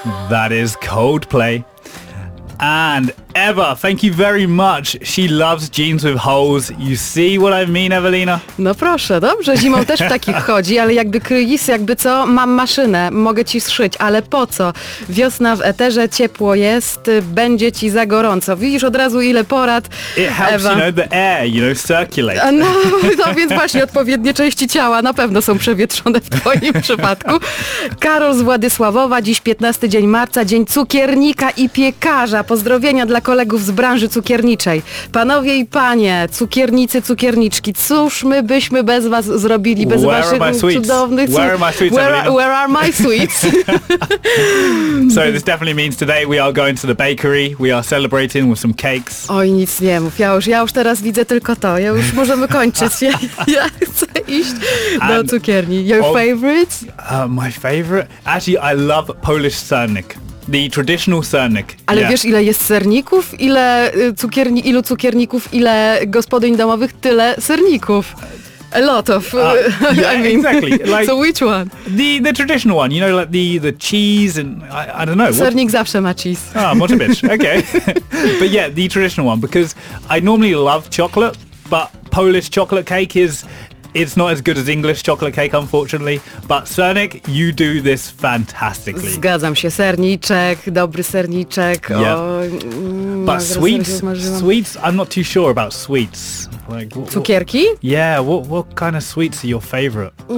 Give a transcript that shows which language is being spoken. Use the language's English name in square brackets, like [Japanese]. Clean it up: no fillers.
[English] That is Coldplay. And Eva, thank you very much. She loves jeans with holes. You see what I mean, Evelina? [Polish] No proszę, dobrze, zimą też w takich chodzi, ale jakby kryjis, jakby co, mam maszynę, mogę ci zszyć, ale po co? Wiosna w eterze, ciepło jest, będzie ci za gorąco. Widzisz od razu ile porad, [English] It helps, Eva. You know, the air, you know, circulate. [Polish] No, no, więc właśnie odpowiednie części ciała na pewno są przewietrzone w twoim przypadku. Karol z Władysławowa, dziś 15 dzień marca, dzień cukiernika i piekarza. Pozdrowienia dla kolegów z branży cukierniczej. Panowie i panie, cukiernicy, cukierniczki, cóż my byśmy bez was zrobili, bez [English] where [Polish] waszych cudownych... [English] Where are my sweets? Where are my sweets? So this definitely means today we are going to the bakery, we are celebrating with some cakes. [Polish] Oj, nic nie mów, ja już teraz widzę tylko to, ja już możemy kończyć. Ja chcę iść do cukierni. [English] Your favorite? My favorite? Actually, I love Polish sernik. The traditional sernik. [Polish] Ale wiesz, ile jest serników? Ilu cukierników, ile gospodyń domowych, tyle serników. [English] A lot of, yeah, I mean. Exactly. Like, so which one? The traditional one, you know, like the cheese and I don't know. [Polish] Sernik what? Zawsze ma cheese. [English] Ah, much a bit, okay. But yeah, the traditional one, because I normally love chocolate, but Polish chocolate cake is... It's not as good as English chocolate cake, unfortunately, but Sernik, you do this fantastically. [Polish] Zgadzam się, serniczek, dobry serniczek. [English] Yeah. But sweets, I'm not too sure about sweets. Like, [Polish] cukierki? [English] Yeah, what kind of sweets are your favorite?